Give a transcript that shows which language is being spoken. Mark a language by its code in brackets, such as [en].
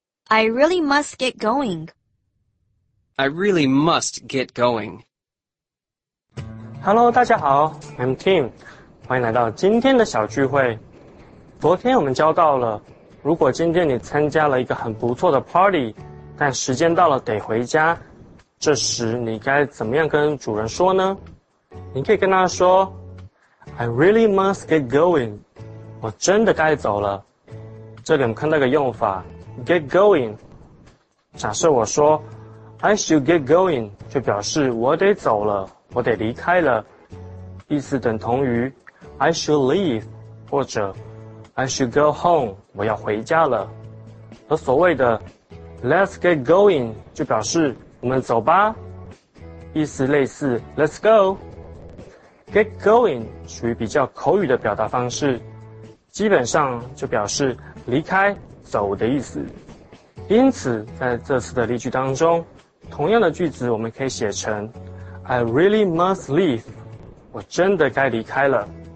[en] I really must get going. I really must get going. Hello, [zh] 大家好 [en] I'm Tim. [zh] 欢迎来到今天的小聚会。昨天我们教到了，如果今天你参加了一个很不错的 party， 但时间到了得回家，这时你该怎么样跟主人说呢？你可以跟他说 ， [en] I really must get going， [zh] 我真的该走了。这里我们看到一个用法 ，get going。假设我说 ， [en] I should get going， [zh] 就表示我得走了，我得离开了，意思等同于。 [en] I should leave, [zh] 或者 [en] I should go home, [zh] 我要回家了。而所谓的 [en] let's get going, [zh] 就表示我们走吧。意思类似 [en] let's go。 [zh] Get going 属于比较口语的表达方式，基本上就表示离开、走的意思。因此在这次的例句当中，同样的句子我们可以写成 [en] I really must leave, [zh] 我真的该离开了。